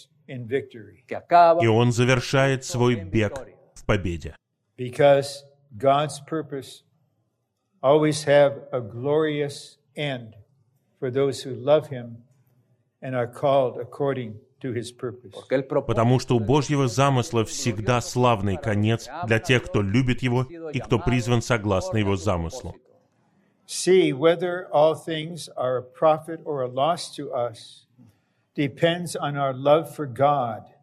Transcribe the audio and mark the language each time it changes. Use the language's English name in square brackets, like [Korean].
[Russian] И он завершает свой бег в победе. [English] Because God's purpose always have a glorious end for those who love Him and are called according to His purpose. [Russian] Потому что у Божьего замысла всегда славный конец для тех, кто любит Его и кто призван согласно Его замыслу. [English] See whether all things are a profit or a loss to us depends on our love for God.